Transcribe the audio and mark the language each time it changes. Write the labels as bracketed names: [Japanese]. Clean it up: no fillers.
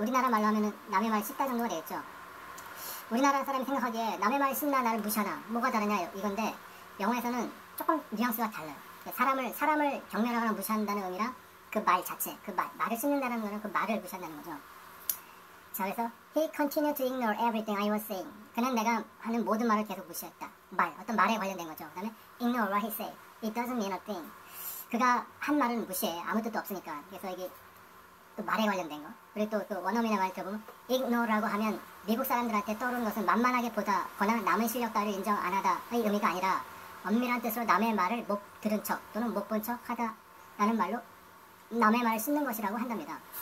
[Korean] 우리나라 말로 하면은 남의 말 씻다 정도가 되겠죠. 우리나라 사람이 생각하기에 남의 말 씻나 나를 무시하나 뭐가 다르냐 이건데 영어에서는 조금 뉘앙스가 달라요. 사람을 경멸하거나 무시한다는 의미랑 그 말 자체, 그 말을 씻는다는 거는 그 말을 무시한다는 거죠. 자, 그래서 [English] He continued to ignore everything I was saying. [Korean] 그는 내가 하는 모든 말을 계속 무시했다. 말, 어떤 말에 관련된 거죠. 그 다음에 [English] Ignore what he said. It doesn't mean a thing. [Korean] 그가 한 말은 무시해. 아무 뜻도 없으니까. 그래서 이게 또 말에 관련된 거, 그리고 또 원어민의 말 들어보면 ignore라고 하면 미국 사람들한테 떠오르는 것은 만만하게 보다거나 남의 실력 따위를 인정 안 하다의 의미가 아니라 엄밀한 뜻으로 남의 말을 못 들은 척 또는 못 본 척 하다라는 말로 남의 말을 씹는 것이라고 한답니다.